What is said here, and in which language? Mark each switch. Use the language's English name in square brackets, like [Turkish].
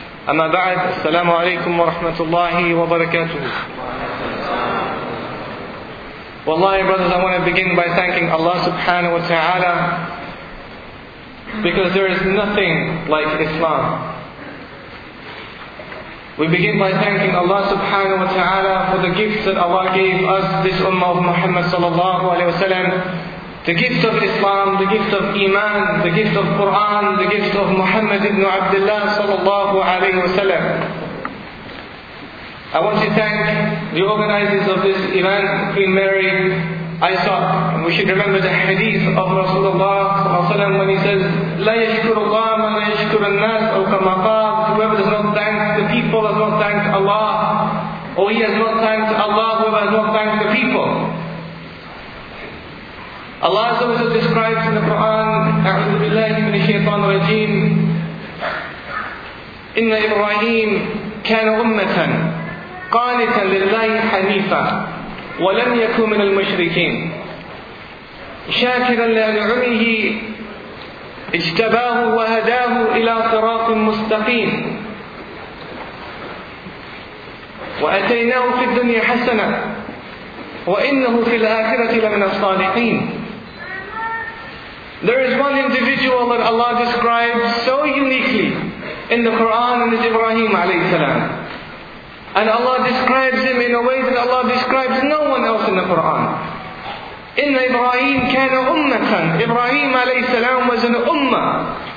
[Arabic] أما بعد، السلام عليكم ورحمة الله وبركاته. [English] Wallahi, brothers, I want to begin by thanking Allah subhanahu wa ta'ala, because there is nothing like Islam. We begin by thanking Allah subhanahu wa ta'ala for the gifts that Allah gave us, this ummah of Muhammad sallallahu alayhi wa sallam. The gift of Islam, the gift of Iman, the gift of Quran, the gift of Muhammad ibn Abdullah sallallahu alayhi wa sallam. I want to thank the organizers of this event, Queen Mary, ISOP. We should remember the hadith of Rasulullah ﷺ when he says, [Arabic] لَا يَشْكُرُ اللَّهَ مَا لَا يَشْكُرُ النَّاسِ أَوْ كَمَا قَالَ. [English] Whoever does not thank the people has not thanked Allah, or he has not thanked Allah, whoever has not thanked the people. Allah also describes in the Quran, [Arabic] أَعْوذُ بِاللَّهِ مِنَ الشَّيْطَانِ الرَّجِيمِ إِنَّ إِبْرَاهِيمَ كَانَ أُمَّةً قانتا لله حنيفا ولم يكن من المشركين شاكرا لأنعمه اجتباه وهداه إلى صراط مستقيم وأتيناه في الدنيا حسنة وإنه في الآخرة لمن الصالحين. [English] There is one individual that Allah describes so uniquely in the Quran, and it's Ibrahim عليه السلام. And Allah describes him in a way that Allah describes no one else in the Quran. [Arabic] Inna Ibrahim kana ummatan. [English] Ibrahim alayhi salam was an ummah.